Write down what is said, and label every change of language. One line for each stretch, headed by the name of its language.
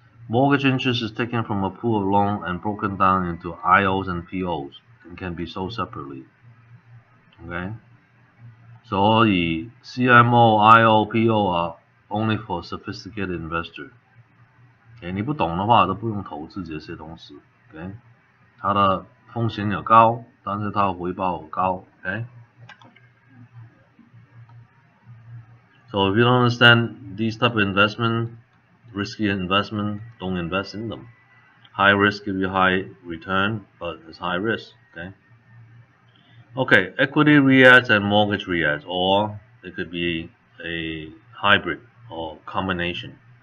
English: Mortgage interest is taken from a pool of loan and broken down into IOs and POs and can be sold separately. Okay? So the CMO, IO, PO are only for sophisticated investor. Okay?
Chinese: 你不懂的话都不用投资这些东西。
English: Okay?
Chinese: 它的风险也高但是它的回报也高。
English: Okay? So if you don't understand these type of investmentRisky investment, don't invest in them. High risk give you high return, but it's high risk, okay? Okay, equity REITs and mortgage REITs, or it could be a hybrid or combination.